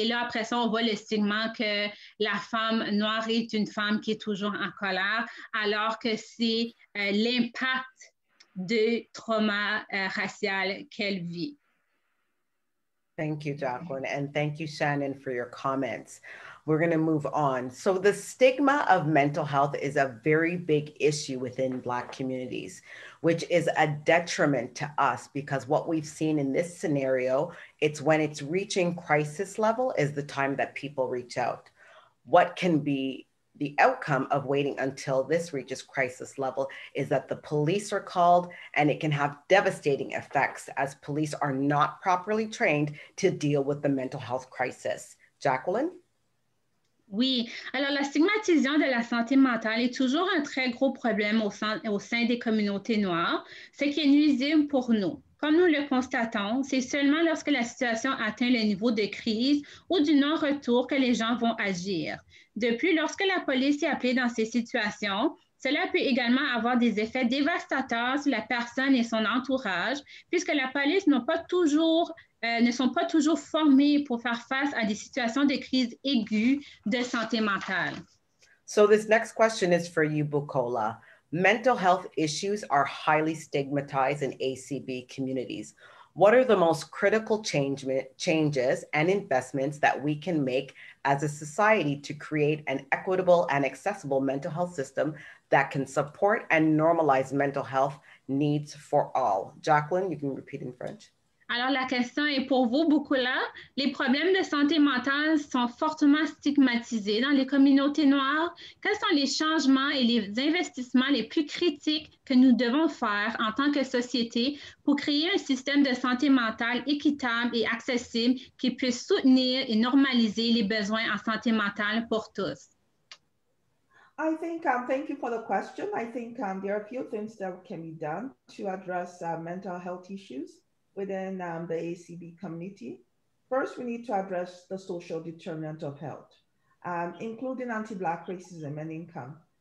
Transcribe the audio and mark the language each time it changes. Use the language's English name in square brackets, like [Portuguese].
[French] Et là, après ça, on voit le stigma que la femme noire est une femme qui est toujours en colère, alors que c'est l'impact du trauma racial qu'elle vit. [English] Thank you, Jacklyn, and thank you, Shannon, for your comments. We're going to move on. So the stigma of mental health is a very big issue within Black communities, which is a detriment to us because what we've seen in this scenario, it's when it's reaching crisis level is the time that people reach out. What can be the outcome of waiting until this reaches crisis level is that the police are called and it can have devastating effects as police are not properly trained to deal with the mental health crisis. Jacklyn? [French] Oui. Alors, la stigmatisation de la santé mentale est toujours un très gros problème au sein des communautés noires, ce qui est nuisible pour nous. Comme nous le constatons, c'est seulement lorsque la situation atteint le niveau de crise ou du non-retour que les gens vont agir. De plus, lorsque la police est appelée dans ces situations, cela peut également avoir des effets dévastateurs sur la personne et son entourage, puisque la police ne sont pas toujours formés pour faire face à des situations de crise aiguë de santé mentale. [English] So this next question is for you, Bukola. Mental health issues are highly stigmatized in ACB communities. What are the most critical changes and investments that we can make as a society to create an equitable and accessible mental health system that can support and normalize mental health needs for all? Jacklyn, you can repeat in French. [French] Alors, la question est pour vous, Bukola. Les problèmes de santé mentale sont fortement stigmatisés dans les communautés noires. Quels sont les changements et les investissements les plus critiques que nous devons faire en tant que société pour créer un système de santé mentale équitable et accessible qui puisse soutenir et normaliser les besoins en santé mentale pour tous? [English] I think, thank you for the question. I think there are a few things that can be done to address mental health issues within the ACB community. First, we need to address the social determinant of health, including anti-Black racism and income.